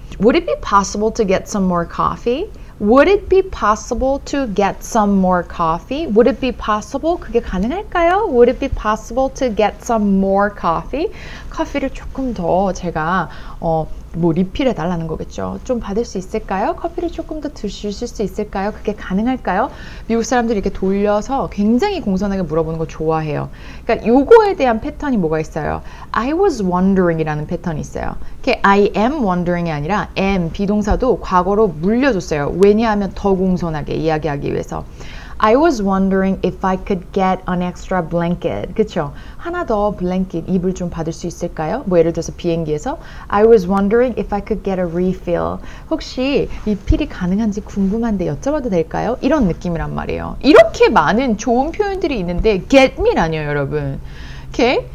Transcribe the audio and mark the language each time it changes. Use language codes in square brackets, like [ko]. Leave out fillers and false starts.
[en] Would it be possible to get some more coffee? Would it be possible to get some more coffee? Would it be possible? [ko] 그게 가능할까요? [en] Would it be possible to get some more coffee? [ko] 커피를 조금 더 제가 뭐 리필해 달라는 거겠죠. 좀 받을 수 있을까요? 커피를 조금 더 드실 수 있을까요? 그게 가능할까요? 미국 사람들이 이렇게 돌려서 굉장히 공손하게 물어보는 거 좋아해요. 그러니까 요거에 대한 패턴이 뭐가 있어요? I was wondering이라는 패턴이 있어요. 이렇게 I am wondering이 아니라 am 비동사도 과거로 물려줬어요. 왜냐하면 더 공손하게 이야기하기 위해서. [en] I was wondering if I could get an extra blanket. [ko] 그쵸? 하나 더 블랭킷, 이불 좀 받을 수 있을까요? 뭐 예를 들어서 비행기에서 [en] I was wondering if I could get a refill. [ko] 혹시 리필이 가능한지 궁금한데 여쭤봐도 될까요? 이런 느낌이란 말이에요. 이렇게 많은 좋은 표현들이 있는데 get me라뇨, 여러분. 오케이?